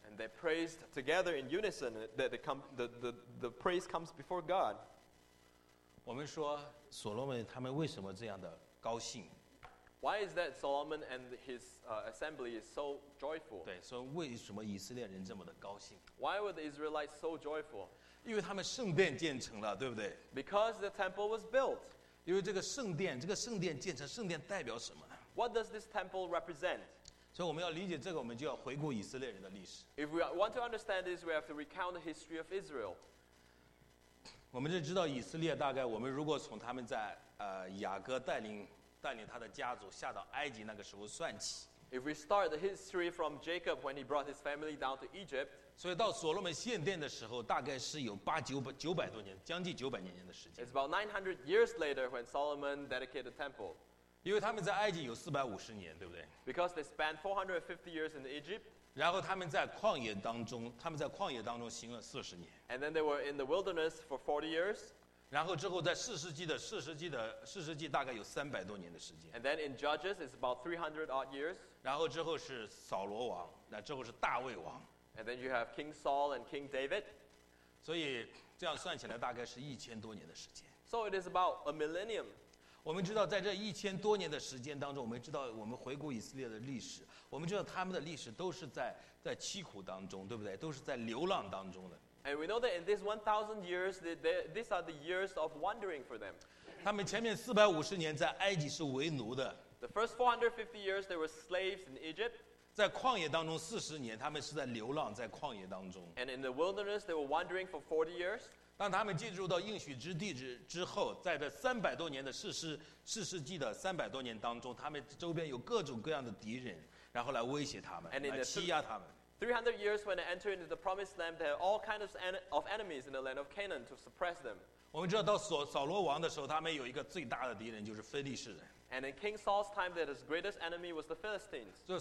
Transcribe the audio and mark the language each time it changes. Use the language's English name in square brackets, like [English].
[English] And they praised together in unison that the praise comes before God. [Chinese] 我们说所罗门他们为什么这样的高兴 [English] ？Why is that Solomon and his assembly is so joyful？ [Chinese] 对，说为什么以色列人这么的高兴 [English] ？Why were the Israelites so joyful？ [Chinese] 因为他们圣殿建成了，对不对 [English] ？Because the temple was built. [Chinese] 因为这个圣殿建成，圣殿代表什么呢 [English] ？What does this temple represent？ [Chinese] 所以我们要理解这个，我们就要回顾以色列人的历史。 [English] If we want to understand this, we have to recount the history of Israel. [Chinese] 我们就知道以色列大概，我们如果从他们在雅各带领他的家族下到埃及那个时候算起。 [English] If we start the history from Jacob when he brought his family down to Egypt. [Chinese] 所以到所罗门献殿的时候，大概是有900多年，将近900年的时间。 [English] It's about 900 years later when Solomon dedicated the temple. [Chinese] 因为他们在埃及有450年，对不对 [English] ？Because they spent 450 years in Egypt. [Chinese] 然后他们在旷野当中行了40年。 [English] And then they were in the wilderness for 40 years. [Chinese] 然后之后在四世纪大概有300多年的时间。 [English] And then in Judges it's about 300 odd years. [Chinese] 然后之后是扫罗王，那之后是大卫王。 [English] And then you have King Saul and King David. [Chinese] 所以这样算起来大概是1000多年的时间。 [English] So it is about a millennium. [Chinese] 我们知道在这1000多年的时间当中，我们知道我们回顾以色列的历史，我们知道他们的历史都是在凄苦当中，对不对？都是在流浪当中的。 [English] And we know that in these 1,000 years, these are the years of wandering for them. [Chinese] 他们前面450年在埃及是为奴的。 [English] The first 450 years, they were slaves in Egypt. [Chinese] 在旷野当中40年，他们是在流浪在旷野当中。 [English] And in the wilderness, they were wandering for 40 years. [Chinese] 当他们进入到应许之地之后，在这300多年的四世纪的300多年当中，他们周边有各种各样的敌人，然后来威胁他们，来欺压他们。 [English] 300 years when they enter into the promised land, there are all kinds of enemies in the land of Canaan to suppress them. [Chinese] 我们知道到扫罗王的时候，他们有一个最大的敌人就是非利士人。 [English] And in King Saul's time, that his greatest enemy was the Philistines.